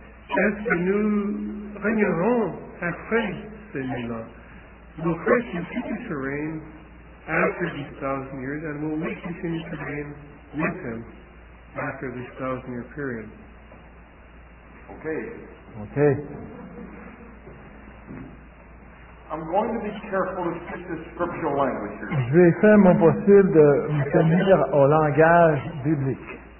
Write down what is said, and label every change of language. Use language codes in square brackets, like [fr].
[fr] Est-ce que nous régnerons après ces 1000 ans? [en] Will Christ continue to reign after these 1,000 years, and will we continue to reign with him after this 1,000-year period? Okay. I'm going to be careful to speak the scriptural language here. [fr] Je vais faire mon possible de me tenir au langage biblique.